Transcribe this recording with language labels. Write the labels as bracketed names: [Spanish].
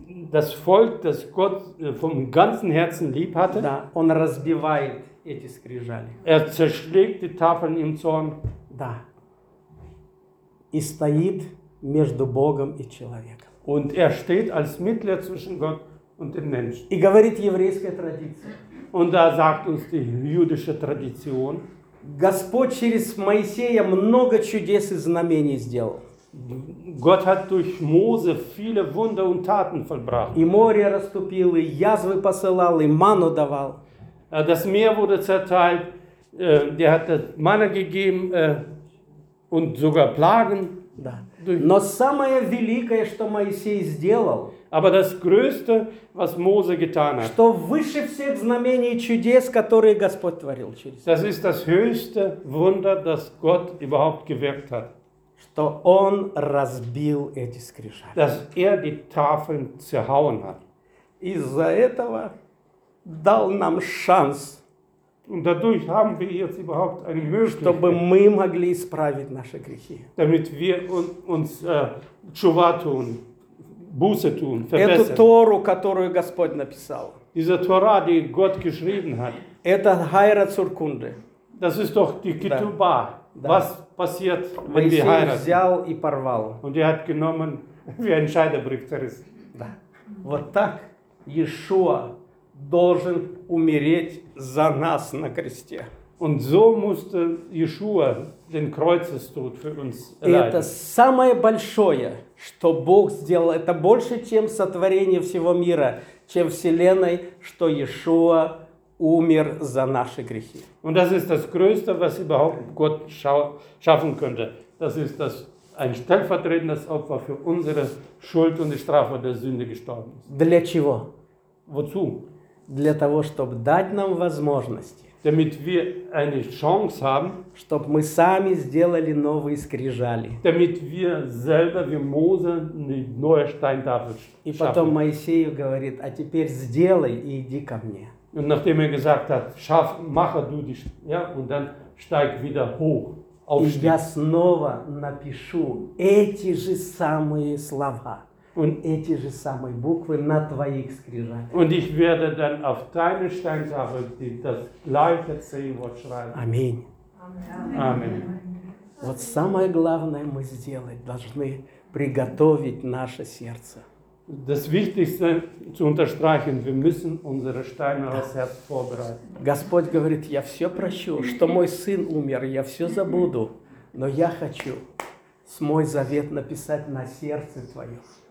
[German] Das Volk, das Gott vom ganzen Herzen lieb hatte, [Russian] да, он разбивает эти скрижали. [German] Er zerschlägt die Tafeln im Zorn. [Russian] Да. И стоит между Богом и человеком. [German] Und er steht als Mittler zwischen Gott und dem Menschen. [Russian] И говорит еврейская традиция. [German] Und da sagt uns die jüdische Tradition. [Russian] Господь через Моисея много чудес и знамений сделал. [German] Gott hat durch Mose viele Wunder und Taten vollbracht. [Russian] И море расступил, и язвы посылал, и ману давал. [German] Das Meer wurde zerteilt, der hat Manna gegeben und sogar Plagen. [Russian] Да. Durch... Но самое великое, что Моисей сделал, [German] aber das Größte, was Mose getan hat, [Russian] что выше всех знамений и чудес, которые Господь творил через [German] das ist das höchste Wunder, das Gott überhaupt gewirkt hat. [Russian] Что он разбил эти скрижали. [German] Dass er die Tafeln zerhauen hat. [Russian] Из-за этого дал нам шанс. [German] Und dadurch haben wir jetzt überhaupt eine Möglichkeit. [Russian] Чтобы мы могли исправить наши грехи. [German] Damit wir uns Tshuva tun, Buße tun, verbessern. [Russian] Эту Тору, которую Господь написал. [German] Diese Tora, die Gott geschrieben hat. [Russian] Это Гайра Цуркунде. [German] Das ist doch die Ketuba. [Russian] Да. [German] Was passiert, wenn wir heiraten? [Russian] Моисей взял и порвал. [German] Und er hat genommen, wie ein Scheidebrief zerrissen. [Russian] Да. Вот так Иешуа должен умереть за нас на кресте. [German] Und so musste Иешуа den Kreuzestod für uns erleiden. [Russian] Это самое большое, что Бог сделал. Это больше, чем сотворение всего мира, чем вселенной, что Иешуа умер за наши грехи. [German] Und das ist das Größte, was überhaupt Gott schaffen könnte. Das ist das ein stellvertretendes Opfer für unsere Schuld und die Strafe der Sünde gestorben ist. [Russian] Для чего? [German] Wozu? [Russian] Для того, чтобы дать нам возможности. [German] Damit wir eine Chance haben. [Russian] Чтобы мы сами сделали новые скрижали. [German] Damit wir selber wie Mose eine neue Steintafel schaffen. [Russian] И потом Моисею говорит: а теперь сделай и иди ко мне. [German] Und nachdem er gesagt hat, schaff, mache du dich, ja, und dann steig wieder hoch, aufstieg. [Russian] Я снова напишу эти же самые слова und эти же самые буквы на твоих скрижалях. [German] Und ich werde dann auf deine Steintafel das gleiche zehn Wort schreiben. [Russian] Аминь. Аминь. Вот самое главное мы сделать, должны приготовить наше сердце. [German] Das Wichtigste zu unterstreichen, wir müssen unsere steinernes Herz vorbereiten. [Russian] Господь говорит, я все прощу, что мой сын умер, я все забуду, но я хочу с мой завет написать на сердце твоем.